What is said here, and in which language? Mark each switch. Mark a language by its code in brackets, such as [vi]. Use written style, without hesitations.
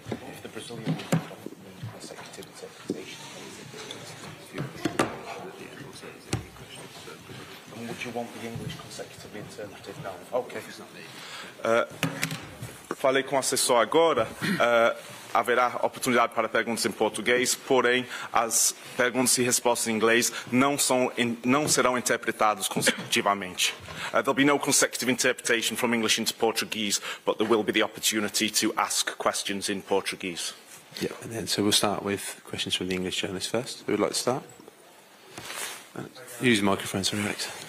[en] If the Brazilian was not on the consecutive interpretation, then it's a question. And would you want the English consecutively interpreted now? Okay. It's not me. [pt] Falei com o assessor agora. Haverá oportunidade para perguntas em português, porém as perguntas e respostas em inglês não serão interpretadas consecutivamente. [en] There'll be no consecutive interpretation from English into Portuguese, but there will be the opportunity to ask questions in Portuguese. Yeah, and then, so we'll start with questions from the English journalist first. Who would like to start? Use the microphone, sorry, Alex.